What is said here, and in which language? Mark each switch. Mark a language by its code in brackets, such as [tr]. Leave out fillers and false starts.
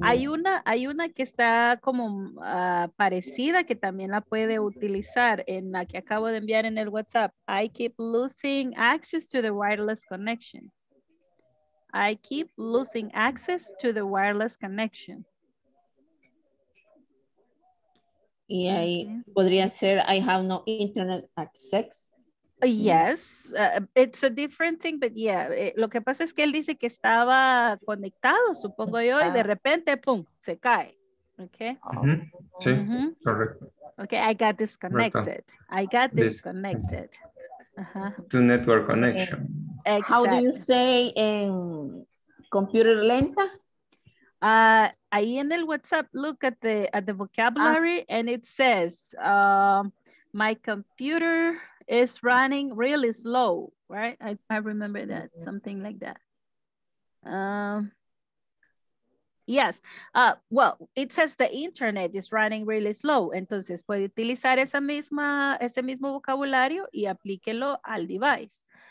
[es] Hay una que está como parecida que también la puede utilizar en la que acabo de enviar en el WhatsApp. [en] I keep losing access to the wireless connection. I keep losing access to the wireless connection. [es] Y ahí podría ser [en] I have no internet access. Yes, it's a different thing, but yeah, [es] lo que pasa es que él dice que estaba conectado, supongo yo, y de repente, pum, se cae, okay? Mm-hmm. Sí, correcto. [en] Okay, I got disconnected. [es] Correcto. [en] I got disconnected. To network connection. Exactly. How do you say computer lenta? [es] Ahí en el WhatsApp, [en] look at the vocabulary, and it says, my computer... it's running really slow, right? I remember that, something like that. Yes, well, it says the internet is running really slow. [es] Entonces puede utilizar ese mismo vocabulario y aplíquelo al device.